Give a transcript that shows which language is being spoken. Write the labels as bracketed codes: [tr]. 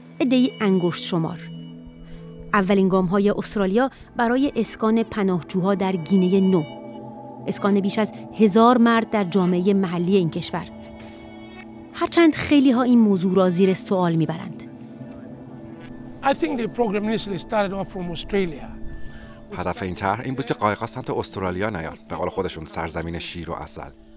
[fa] عده‌ای انگشت شمار. اولین گام‌های استرالیا برای اسکان پناهجوها در گینه نو. اسکان بیش از 1000 مرد در جامعه محلی این کشور. هرچند خیلی‌ها این موضوع را زیر سوال می‌برند. [en] I think the program initially started off from Australia. [fa] هدف این طرح این بود که قایق‌ها سمت استرالیا نیان، به قول خودشون سرزمین شیر و عسل.